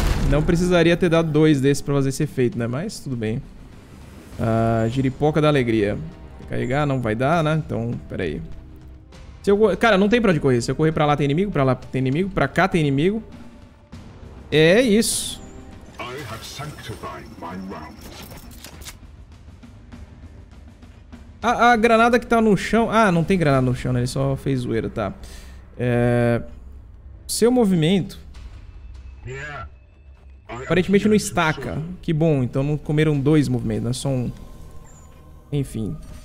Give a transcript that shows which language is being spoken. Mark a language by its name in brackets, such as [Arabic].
[Portuguese] Não precisaria ter dado dois desses pra fazer esse efeito, né? Mas tudo bem. Giripoca da alegria. Carregar não vai dar, né? Então, peraí. Se eu... Cara, não tem pra onde correr. Se eu correr pra lá tem inimigo, pra lá tem inimigo, pra cá tem inimigo. É isso. [English] I have sanctified my round. [Portuguese] A granada que tá no chão... Ah, não tem granada no chão, né? Ele só fez zoeira, tá. É... Seu movimento... Yeah. Aparentemente não estaca. Que bom, então não comeram dois movimentos, né? Só um. Enfim.